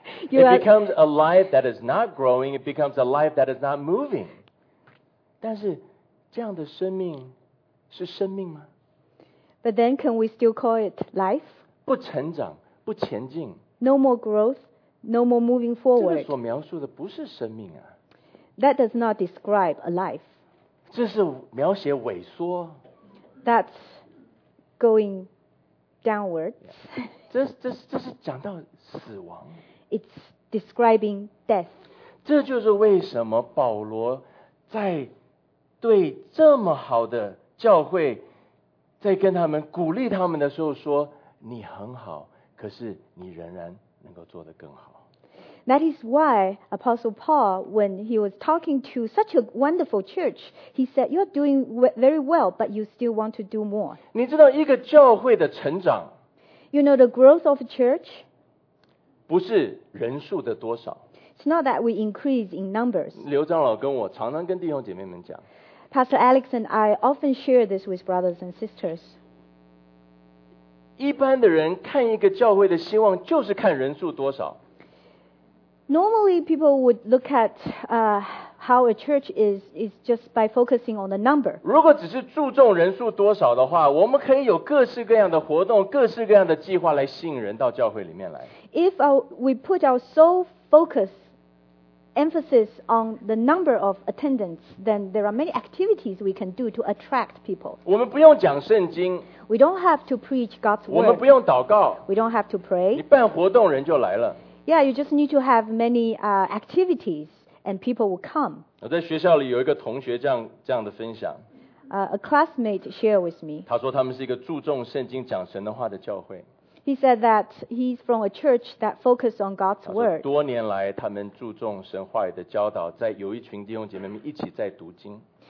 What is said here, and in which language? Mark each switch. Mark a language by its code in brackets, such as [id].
[en] It becomes a life that is not growing. It becomes a life that is not moving. [zh] 但是这样的生命是生命吗 [en] But then can we still call it life? [zh] 不成长不前进 [en] No more growth No more moving forward [zh] 这个所描述的不是生命啊 [en] That does not describe a life [zh] 这是描写萎缩 [en] That's going downwards [zh] 这是讲到死亡 [en] It's describing death [zh] 这就是为什么保罗在对这么好的教会在跟他们鼓励他们的时候说你很好可是你仍然能够做得更好 [en] That is why Apostle Paul when he was talking to such a wonderful church he said you're doing very well but you still want to do more [zh] 你知道一个教会的成长 [en] You know the growth of a church [zh] 不是人数的多少 [en] It's not that we increase in numbers [zh] 刘长老跟我常常跟弟兄姐妹们讲 [en] Pastor Alex and I often share this with brothers and sisters. [zh] 一般的人看一个教会的兴旺就是看人数多少。 [en] Normally, people would look at how a church is just by focusing on the number. [zh] 如果只是注重人数多少的话，我们可以有各式各样的活动，各式各样的计划来吸引人到教会里面来。 [en] If we put our sole focus emphasis on the number of attendance, then there are many activities we can do to attract people. [zh] 我们不用讲圣经。 [en] We don't have to preach God's word. [zh] 我们不用祷告。 [en] We don't have to pray. [zh] 你办活动，人就来了。 [en] Yeah, you just need to have many activities and people will come. [zh] 我在学校里有一个同学这样的分享。 [en] A classmate shared with me. [zh] 他说他们是一个注重圣经讲神的话的教会。 [en] He said that he's from a church that focused on God's word. [zh] 多年来他们注重神话语的教导，在有一群弟兄姐妹们一起在读经。